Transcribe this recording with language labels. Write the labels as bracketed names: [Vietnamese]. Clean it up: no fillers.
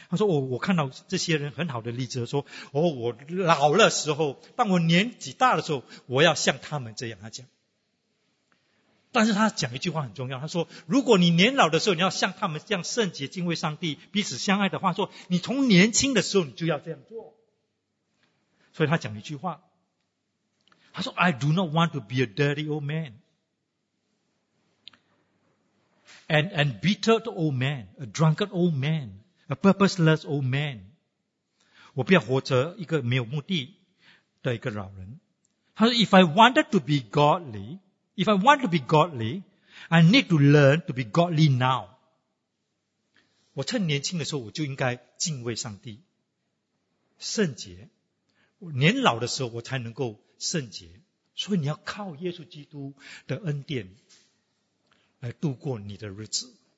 [Chinese] 他说、哦、我看到这些人很好的例子，说、哦、我老了时候，当我年纪大的时候，我要像他们这样。他讲，但是他讲一句话很重要，他说如果你年老的时候你要像他们这样圣洁敬畏上帝彼此相爱的话，说你从年轻的时候你就要这样做。所以他讲一句话，他说 [English] I do not want to be a dirty old manAn embittered old man, a drunken old man, a purposeless old man, [Chinese] 我不要活着一个没有目的的一个老人。他说 [English] If I wanted to be godly, if I want to be godly, I need to learn to be godly now. [Chinese] 我趁年轻的时候我就应该敬畏上帝。圣洁。年老的时候我才能够圣洁。所以你要靠耶稣基督的恩典来度过你的日子。